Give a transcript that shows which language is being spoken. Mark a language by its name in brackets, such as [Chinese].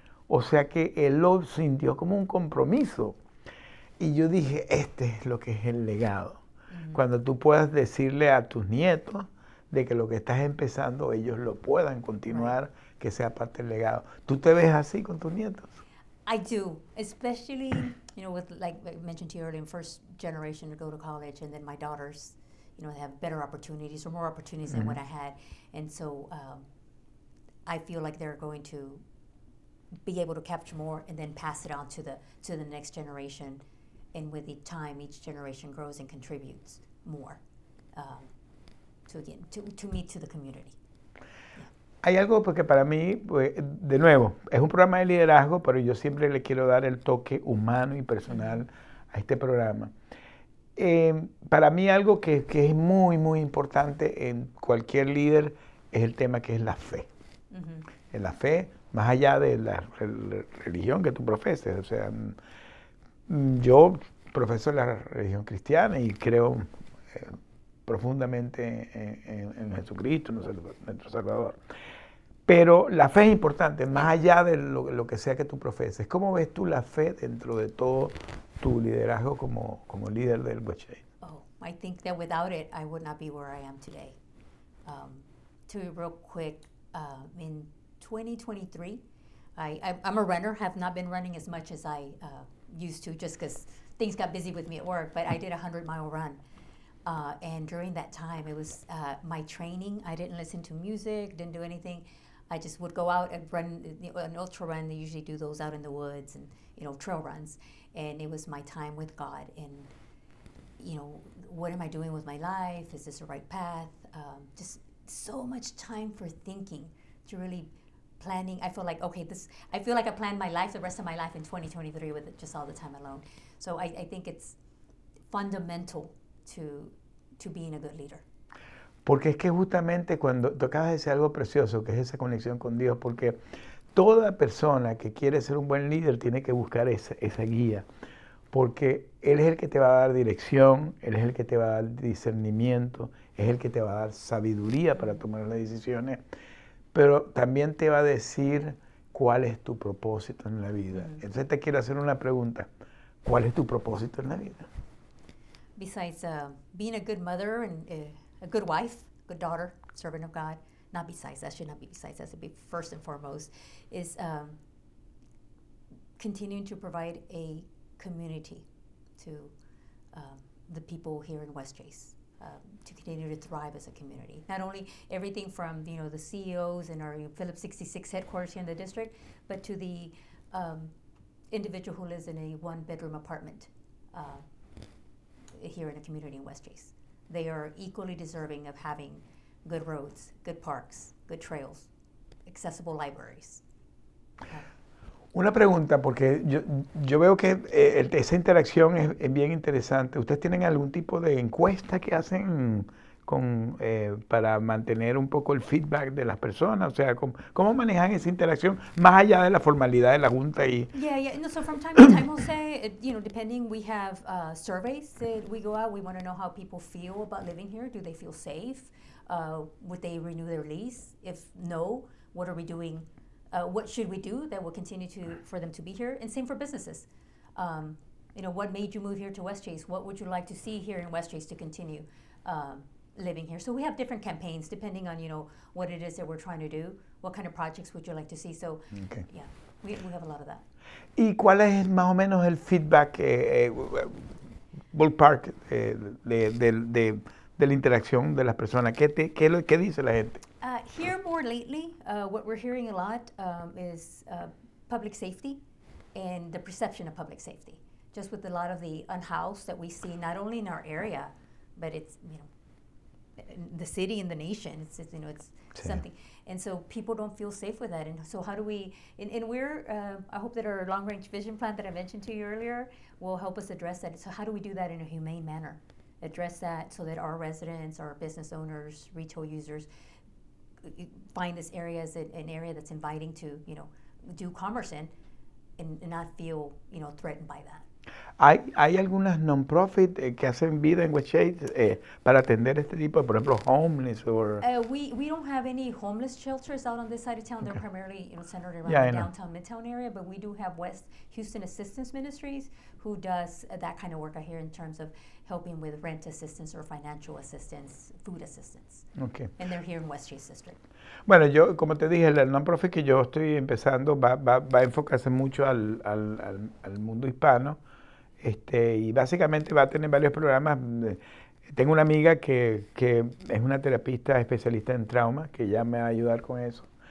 [Spanish] O sea que él lo sintió como un compromiso. Y yo dije, este es lo que es el legado. Mm-hmm. Cuando tú puedas decirle a tus nietos de que lo que estás empezando, ellos lo puedan continuar, right, que sea parte del legado. ¿Tú te ves así con tus nietos? [English] I do, especially, you know, with, like I mentioned to you earlier, first generation to go to college, and then my daughters, you know, they have better opportunities or more opportunities, mm-hmm, than what I had. And so I feel like they're going to be able to capture more and then pass it on to the next generation. And with the time, each generation grows and contributes more to the community. [Spanish] Hay algo, porque para mí, pues, de nuevo, es un programa de liderazgo, pero yo siempre le quiero dar el toque humano y personal a este programa. Para mí algo que es muy, muy importante en cualquier líder es el tema que es la fe. Uh-huh. En la fe, más allá de la religión que tú profeses. O sea, yo profeso la religión cristiana y creo profundamente en Jesucristo, nuestro Salvador. Pero la fe es importante, más allá de lo que sea que tú profeses. ¿Cómo ves tú la fe dentro de todo tu liderazgo como líder del Westchain? [English] Oh, I think that without it, I would not be where I am today. To be real quick, in 2023, I'm a runner, have not been running as much as I used to, just because things got busy with me at work, but I did a 100-mile run. And during that time, it was my training. I didn't listen to music, didn't do anything. I just would go out and run an ultra run. They usually do those out in the woods and, you know, trail runs. And it was my time with God. And, you know, what am I doing with my life? Is this the right path? Just so much time for thinking, to really planning. I feel like, okay, this, I feel like I planned my life, the rest of my life in 2023 with just all the time alone. So I think it's fundamental to being a good leader. [Spanish] Porque es que justamente cuando tocabas decir algo precioso, que es esa conexión con Dios, porque toda persona que quiere ser un buen líder tiene que buscar esa guía, porque Él es el que te va a dar dirección, Él es el que te va a dar discernimiento, es el que te va a dar sabiduría para tomar las decisiones, pero también te va a decir cuál es tu propósito en la vida. Entonces te quiero hacer una pregunta, ¿cuál es tu propósito en la vida? [English] Besides being a good mother and a good wife, good daughter, servant of God, not besides, that should not be besides, that should be first and foremost, is continuing to provide a community to the people here in West Chase, to continue to thrive as a community. Not only everything from, you know, the CEOs and our Phillips 66 headquarters here in the district, but to the individual who lives in a one-bedroom apartment here in a community in West Chase. They are equally deserving of having good roads, good parks, good trails, accessible libraries. [Spanish] Una pregunta, porque yo veo que esa interacción es bien interesante. ¿Ustedes tienen algún tipo de encuesta que hacen para mantener un poco el feedback de las personas? O sea, ¿cómo manejan esa interacción más allá de la formalidad de la junta? [English] No, so from time to time, we'll say, you know, depending, we have surveys that we go out. We want to know how people feel about living here. Do they feel safe? Would they renew their lease? If no, what are we doing What should we do that will continue to for them to be here? And same for businesses. You know, what made you move here to West Chase? What would you like to see here in West Chase to continue living here? So we have different campaigns depending on, you know, what it is that we're trying to do. What kind of projects would you like to see? So, we have a lot of that. [Spanish] ¿Y cuál es más o menos el feedback, ballpark, de la interacción de las personas? ¿Qué dice la gente? [English] Here more lately, what we're hearing a lot is public safety and the perception of public safety. Just with a lot of the unhoused that we see, not only in our area, but it's, you know, in the city and the nation, it's, you know, it's something. And so people don't feel safe with that. And so how do we, and we're, I hope that our long-range vision plan that I mentioned to you earlier will help us address that. So how do we do that in a humane manner? Address that so that our residents, our business owners, retail users, find this area as an area that's inviting to, you know, do commerce in and not feel, you know, threatened by that. [Spanish] ¿Hay algunas non-profit que hacen vida en West Chase para atender este tipo, por ejemplo, [English] homeless or...? We don't have any homeless shelters out on this side of town. Okay. They're primarily, you know, centered around the downtown Midtown area, but we do have West Houston Assistance Ministries who does that kind of work out here in terms of helping with rent assistance or financial assistance, food assistance. Okay. And they're here in West Chase District. [Spanish] Bueno, yo, como te dije, el non-profit que yo estoy empezando va a enfocarse mucho al mundo hispano. Y básicamente va a tener varios programas. Tengo una amiga que es una terapista especialista en trauma, que ya me va a ayudar con eso.